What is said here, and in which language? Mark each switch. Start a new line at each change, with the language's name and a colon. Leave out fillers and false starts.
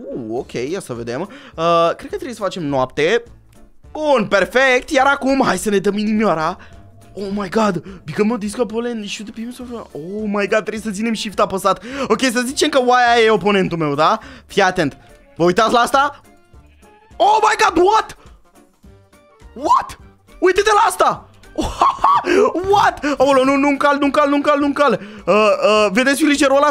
Romanian: Ok, ia să vedem. Cred că trebuie să facem noapte. Bun, perfect. Iar acum, hai să ne dăm inimioara.
English: Oh my god, become a disco opponent, shoot the beams of... Oh my god,
Romanian: trebuie să ținem shift apăsat. Ok, să zicem că oaia e oponentul meu, da? Fii atent, vă uitați la asta?
English: Oh my god, what? What?
Romanian: Uite-te la asta!
English: What?
Romanian: Aolo, nu-mi cal. Vedeți villagerul ăla?